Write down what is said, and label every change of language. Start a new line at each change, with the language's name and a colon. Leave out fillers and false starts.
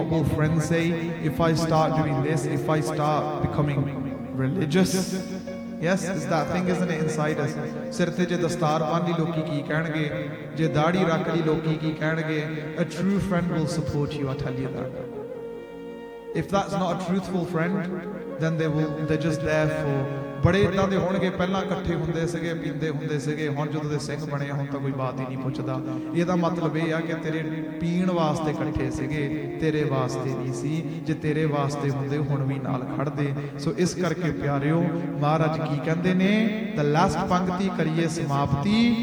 English: What will friends say if I start doing this, if I start becoming religious, yes it's that thing isn't it inside us.
Punjabi: ਸਿਰ ਤੇ ਜੇ ਦਸਤਾਰ ਬੰਨ੍ਹੀ ਲੋਕੀ ਕੀ ਕਹਿਣਗੇ, ਜੇ ਦਾੜੀ ਰੱਖ ਲਈ ਲੋਕੀ ਕੀ ਕਹਿਣਗੇ।
English: A true friend will support you, I tell you that. If that's not a truthful friend, then they're just there for...
Punjabi: ਬੜੇ ਇੱਦਾਂ ਦੇ ਹੋਣਗੇ, ਪਹਿਲਾਂ ਇਕੱਠੇ ਹੁੰਦੇ ਸੀਗੇ, ਪੀਂਦੇ ਹੁੰਦੇ ਸੀਗੇ, ਹੁਣ ਜਦੋਂ ਦੇ ਸਿੰਘ ਬਣੇ ਹੁਣ ਤਾਂ ਕੋਈ ਬਾਤ ਹੀ ਨਹੀਂ ਪੁੱਛਦਾ। ਇਹਦਾ ਮਤਲਬ ਇਹ ਆ ਕਿ ਤੇਰੇ ਪੀਣ ਵਾਸਤੇ ਇਕੱਠੇ ਸੀਗੇ, ਤੇਰੇ ਵਾਸਤੇ ਨਹੀਂ ਸੀ, ਜੇ ਤੇਰੇ ਵਾਸਤੇ ਹੁੰਦੇ ਹੁਣ ਵੀ ਨਾਲ ਖੜਦੇ। ਸੋ ਇਸ ਕਰਕੇ ਪਿਆਰਿਓ ਮਹਾਰਾਜ ਕੀ ਕਹਿੰਦੇ ਨੇ,
English: the last
Punjabi: ਪੰਕਤੀ ਕਰੀਏ ਸਮਾਪਤੀ।